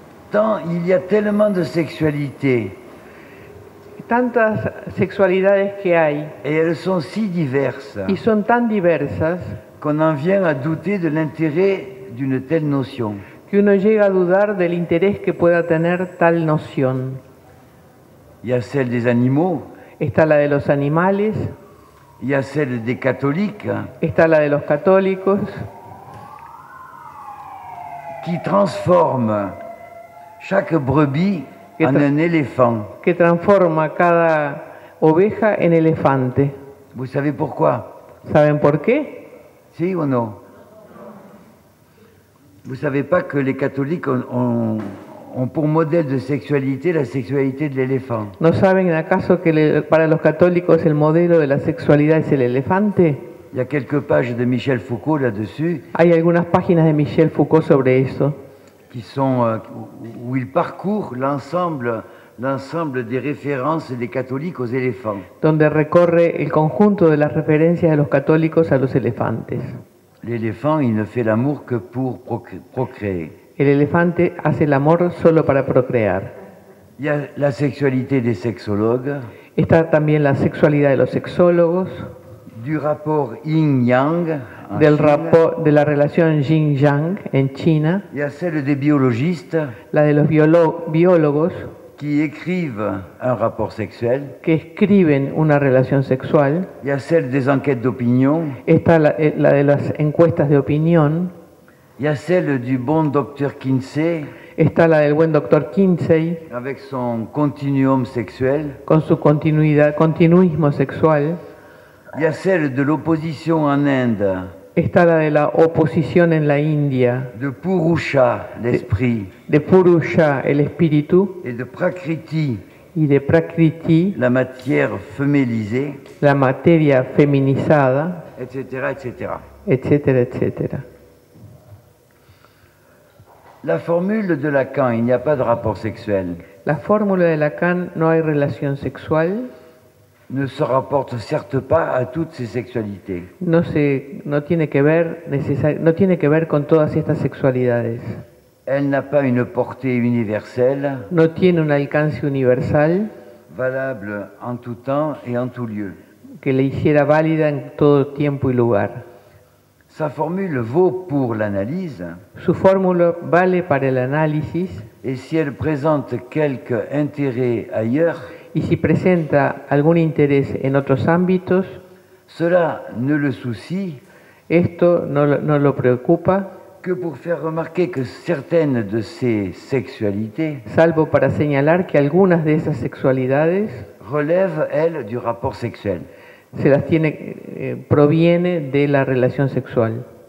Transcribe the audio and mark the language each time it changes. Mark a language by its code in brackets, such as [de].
[fr] Tant il y a tellement de sexualité. [es] Tantas sexualidades que hay. [fr] Et elles sont si diverses. [es] Y son tan diversas. [fr] Qu'on en vient à douter de l'intérêt d'une telle notion. [es] Que uno llega a dudar del interés que pueda tener tal noción. [fr] Y a celle des animaux. [es] Está la de los animales. [fr] Y a celle des catholiques. [es] Está la de los católicos. [fr] Qui transforme chaque brebis en un éléphant. [es] Que transforma cada oveja en elefante. [fr] Vous savez pourquoi? [es] ¿Saben por qué? Sí o no? [fr] Vous savez pas que les catholiques ont pour modèle de sexualité la sexualité de l'éléphant. [es] ¿No saben acaso que para los católicos el modelo de la sexualidad es el elefante? [fr] Il y a quelques pages de Michel Foucault là-dessus. [es] Hay algunas páginas de Michel Foucault sobre eso. [fr] Qui sont où il parcourt l'ensemble des références des catholiques aux éléphants. [es] Donde recorre el conjunto de las referencias de los católicos a los elefantes. [fr] L'éléphant, il ne fait l'amour que pour procréer. [es] El elefante hace el amor solo para procrear. [fr] Il y a la sexualité des sexologues. [es] Está también la sexualidad de los sexólogos. [fr] Du rapport yin-yang [es] del rapport de la relación yin-yang en China. [fr] Y a celle des biologistes, [es] la de los biólogos [fr] qui écrivent un rapport sexuel, [es] que escriben una relación sexual. [fr] Y a celle des enquêtes d'opinion, [es] está la de las encuestas de opinión. [fr] Y a celle du bon docteur Kinsey, [es] está la del buen doctor Kinsey [fr] avec son continuum sexuel, [es] con su continuismo sexual. [fr] Il y a celle de l'opposition en Inde. [es] Está la de la oposición en la India. [fr] De Purusha, l'esprit. [es] De Purusha, el espíritu. [fr] Et de Prakriti. [es] Y de Prakriti. [fr] La matière féminisée. [es] La materia feminizada. [fr] Etc. Etc. [es] Etc. Etc. [fr] La formule de Lacan, il n'y a pas de rapport sexuel. [es] La fórmula de Lacan, no hay relación sexual. [fr] Ne se rapporte certes pas à toutes ces sexualités. [es] No tiene que ver con todas estas sexualidades. [fr] Elle n'a pas une portée universelle. [es] No tiene un alcance universal. [fr] Valable en tout temps et en tout lieu. [es] Que le hiciera válida en todo tiempo y lugar. [fr] Sa formule vaut pour l'analyse. [es] Su fórmula vale para el análisis. [fr] Et si elle présente quelque intérêt ailleurs. [es] Y si presenta algún interés en otros ámbitos, [fr] cela ne le soucie, [es] esto no lo preocupa, [fr] que pour faire remarquer que certaines de ces sexualités, [es] salvo para señalar que algunas de esas sexualidades [fr] relèvent, elles, du rapport sexuel. [es] Se las tiene, proviene de la relación sexual.